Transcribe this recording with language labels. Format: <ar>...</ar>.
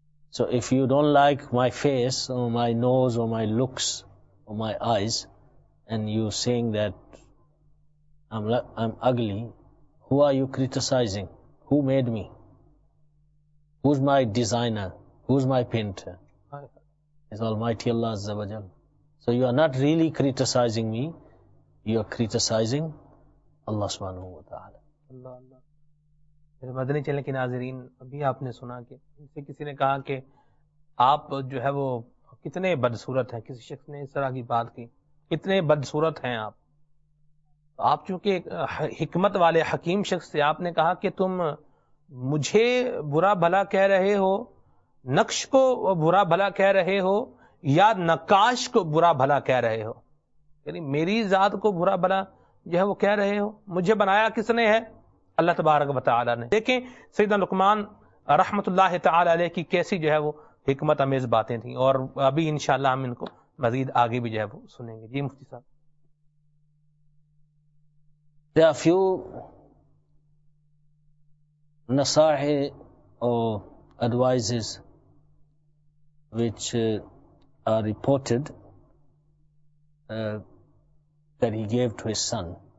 <en>So if you don't like my face or my nose or my looks or my eyes and you're saying that I'm ugly, who are you criticizing? Who made me? Who's my designer? Who's my painter? It's Almighty Allah Azza wa Jal. So you are not really criticizing me. You are criticizing Allah Subhanahu wa Ta'ala. Allah Allah.</en> <ur>میرے مدنی چلنے کے ناظرین, ابھی آپ نے سنا کہ ان سے کسی نے کہا کہ آپ جو ہے وہ کتنے بدصورت ہیں, کسی شخص نے اس طرح کی بات کی, کتنے بدصورت ہیں آپ. آپ چونکہ حکمت والے حکیم شخص سے آپ نے کہا کہ تم مجھے برا بھلا کہہ رہے ہو, نقش کو برا بھلا کہہ رہے ہو یا نقاش کو برا بھلا کہہ رہے ہو, یعنی میری ذات کو برا بھلا جو ہے وہ کہہ رہے ہو, مجھے بنایا کس نے ہے؟ اللہ تبارک و تعالیٰ نے. دیکھیں سیدنا لقمان رحمت اللہ تعالی علیہ کی کیسی جو ہے وہ حکمت آمیز باتیں تھیں, اور ابھی انشاءاللہ ہم ان کو مزید آگے بھی جو ہے وہ سنیں گے. جی مفتی صاحب.</ur> <en>There are few نصائح or advices which are reported that he gave to his son.</en>